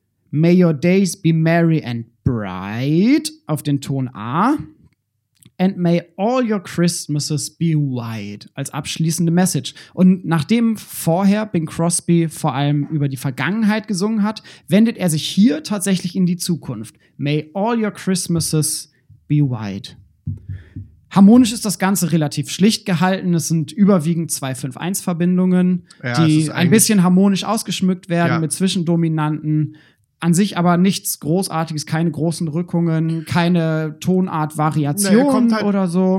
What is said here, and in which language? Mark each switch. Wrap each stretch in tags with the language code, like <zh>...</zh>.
<en>May your days be merry and bright</en> <de>auf den Ton A.</de> <en>And may all your Christmases be white</en> <de>als abschließende Message. Und nachdem vorher Bing Crosby vor allem über die Vergangenheit gesungen hat, wendet er sich hier tatsächlich in die Zukunft.</de> <en>May all your Christmases be white.</en> <de>Harmonisch ist das Ganze relativ schlicht gehalten. Es sind überwiegend 2-5-1-Verbindungen, ja, die ein bisschen harmonisch ausgeschmückt werden, ja, mit Zwischendominanten. An sich aber nichts Großartiges, keine großen Rückungen, keine Tonart-Variation, naja, halt, oder so.</de>